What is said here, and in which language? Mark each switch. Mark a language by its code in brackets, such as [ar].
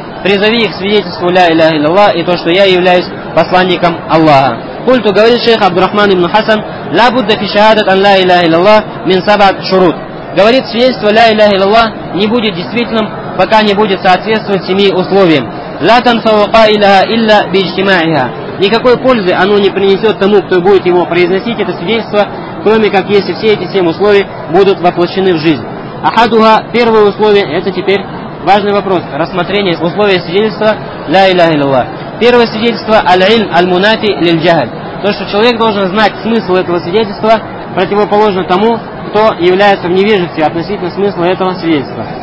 [ru] Призови их к свидетельству ля иляха илля-ллах и то, что я являюсь посланником Аллаха. [ar] Культу [ru] говорит шейх Абдурахман ибн Хасан: [ar] "Ла будда фи шахадат ан ля иляха илля-ллах мин сабат шурут". [ru] Говорит, свидетельство ля иляха илля-ллах не будет действительным, пока не будет соответствовать семи условиям. [ar] لا تنفعوا قائلها إلا باجتماعها. [ru] Никакой пользы оно не принесет тому, кто будет его произносить это свидетельство, кроме как если все эти семь условий будут воплощены в жизнь. Ахадуха, первое условие, это теперь важный вопрос, рассмотрение условия свидетельства ля иляха илля-ллах. Первое свидетельство [ar] аль-ильм аль-мунафи лиль-джахль. [ru] То, что человек должен знать смысл этого свидетельства, противоположно тому, кто является в невежестве относительно смысла этого свидетельства.